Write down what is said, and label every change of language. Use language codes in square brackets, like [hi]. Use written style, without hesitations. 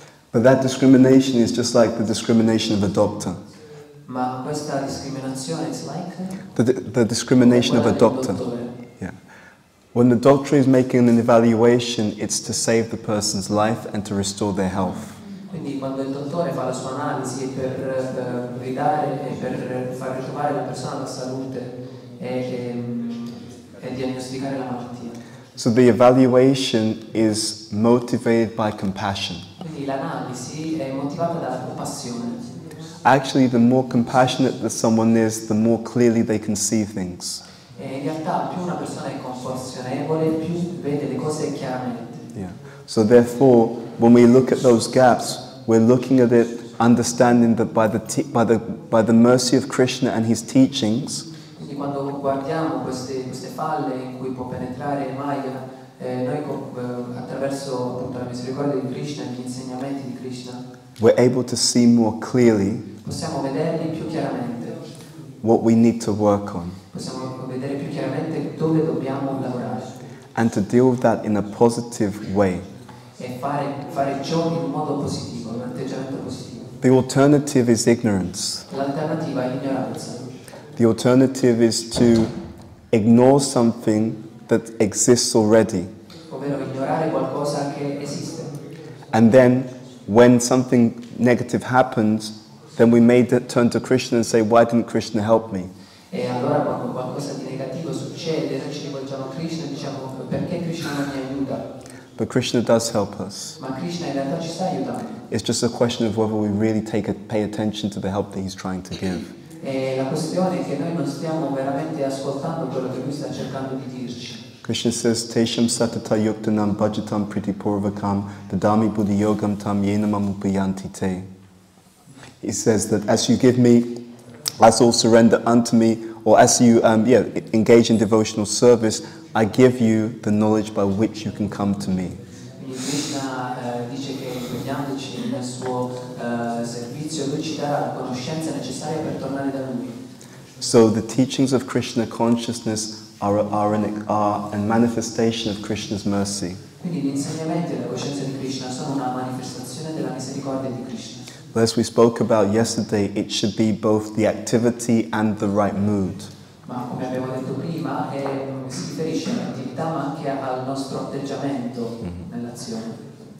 [en] But that discrimination is just like the discrimination of a doctor. [it] Ma questa discriminazione [en] is like? The discrimination of a doctor. When the doctor is making an evaluation, it's to save the person's life and to restore their health. [it] Quindi quando il dottore fa la sua analisi è per ridare e per far ritrovare la persona la salute e diagnosticare la malattia. [en] So the evaluation is motivated by compassion. [it] Quindi l'analisi è motivata dalla compassione. [en] Actually, the more compassionate that someone is, the more clearly they can see things. [it] In realtà più una persona è compassionevole più vede le cose chiaramente. [en] Yeah. So therefore, when we look at those gaps, we're looking at it, understanding that by the mercy of Krishna and his teachings. [it] Quindi quando guardiamo queste falle in cui può penetrare Maya, noi attraverso appunto la misericordia di Krishna e gli insegnamenti di Krishna, [en] we're able to see more clearly. [it] Possiamo vederli più chiaramente. [en] What we need to work on. [it] Possiamo vedere più chiaramente dove dobbiamo lavorare. [en] And to deal with that in a positive way. [it] E fare ciò in un modo positivo, un atteggiamento positivo. [en] The alternative is ignorance. [it] L'alternativa è l'ignoranza. [en] The alternative is to ignore something that exists already. [it] Ovvero ignorare qualcosa che esiste. [en] And then, when something negative happens, then we may turn to Krishna and say, why didn't Krishna help me? [it] E allora quando qualcosa di negativo succede, noi ci rivolgiamo a Krishna e diciamo, perché Krishna non mi aiuta? [en] But Krishna does help us. [it] Ma Krishna in realtà ci sta aiutando. [en] It's just a question of whether we really pay attention to the help that he's trying to give. [it] E la questione è che noi non stiamo veramente ascoltando quello che lui sta cercando di dirci. [en] Krishna says, [sa] Tesham Satata Yuktanam Bhajatam Pritipuravakam Dadami Buddhi Yogam Tam Yenamam Upayanti Te. [en] He says that as you give me, as all surrender unto me, or as you engage in devotional service, I give you the knowledge by which you can come to me. [it] Krishna dice che guidandoci nel suo servizio, lui ci darà la conoscenza necessaria per tornare da lui. [en] So the teachings of Krishna consciousness are a manifestation of Krishna's mercy. [it] Quindi gli insegnamenti della coscienza di Krishna sono una manifestazione della misericordia di Krishna. [en] But as we spoke about yesterday, it should be both the activity and the right mood. [it] Ma come abbiamo detto prima, si riferisce all'attività ma anche al nostro atteggiamento nell'azione.